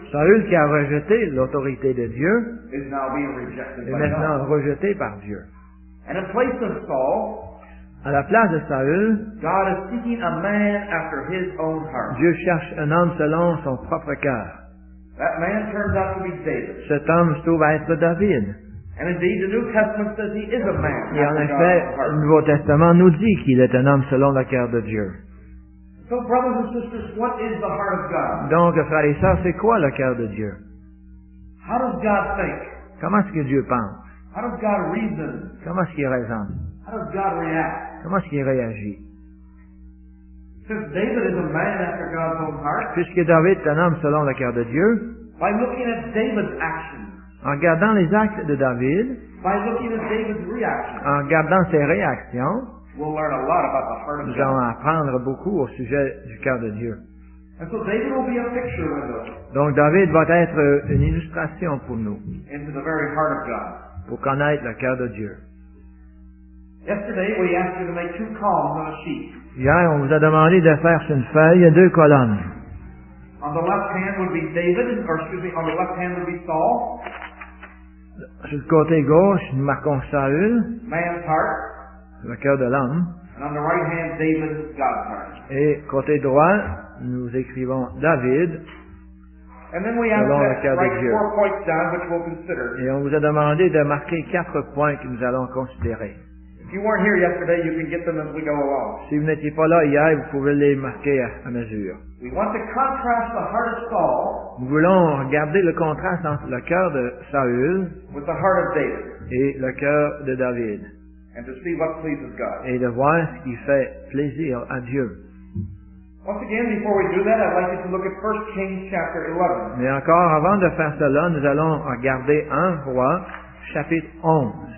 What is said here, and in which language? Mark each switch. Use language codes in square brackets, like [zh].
[fr] Saül qui a rejeté l'autorité de Dieu, [en] is now being rejected [fr] est maintenant [en] by God. [fr] Rejeté par Dieu. [en] And in place of Saul, [fr] à la place de Saül, [en] God is seeking a man after his own heart. [fr] Dieu cherche un homme selon son propre cœur. [en] That man turns out to be David. [fr] Cet homme se trouve à être David. [en] And indeed, the New Testament says he is a man. [fr] Et en effet, le Nouveau Testament nous dit qu'il est un homme selon le cœur de Dieu. [en] So, brothers and sisters, what is the heart of God? [fr] Donc, frères et sœurs, c'est quoi le cœur de Dieu? [en] How does God think? [fr] Comment est-ce que Dieu pense? [en] How does God reason? [fr] Comment est-ce qu'il raisonne? [en] How does God react? [fr] Comment est-ce qu'il réagit? [en] Since David is a man after God's own heart, [fr] puisque David est un homme selon le cœur de Dieu, [en] by looking at David's actions, [fr] en regardant les actes de David, [en] by looking at David's reactions, [fr] en regardant ses réactions, [en] we'll learn a lot about the heart of God. [fr] Nous allons apprendre beaucoup au sujet du cœur de Dieu. [en] And so David will be a picture with us. [fr] Donc David va être une illustration pour nous, [en] into the very heart of God, [fr] pour connaître le cœur de Dieu. [en] Yesterday we asked you to make two columns on a sheet. [fr] Hier, on vous a demandé de faire sur une feuille, il y a deux colonnes. [en] On the left hand would be David, or excuse me, on the left hand would be Saul. [fr] Sur le côté gauche, nous marquons Saül. [en] Man's heart. [fr] Le cœur de l'homme. [en] And on the right hand, David, God's heart. [fr] Et côté droit, nous écrivons David. [en] And then we have to write four points down, which we'll consider. [fr] Et on vous a demandé de marquer quatre points que nous allons considérer. [en] If you weren't here yesterday, you can get them as we go along. [fr] Si vous n'étiez pas là hier, vous pouvez les marquer à mesure. [en] We want to contrast the heart of Saul. [fr] Nous voulons regarder le contraste entre le cœur de Saül [en] with the heart of David. [fr] Et le cœur de David. [en] And to see what pleases God. [fr] Et de voir ce qui fait plaisir à Dieu. [en] Once again, before we do that, I'd like you to look at 1 Kings chapter 11. [fr] Mais encore avant de faire cela, nous allons regarder un roi, chapitre 11.